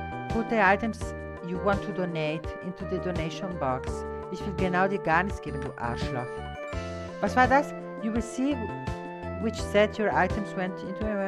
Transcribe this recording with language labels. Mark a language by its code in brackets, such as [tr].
[en] Put the items you want to donate into the donation box. [de] Ich will genau dir gar nichts geben, du Arschloch. Was war das? [en] You will see which set your items went into.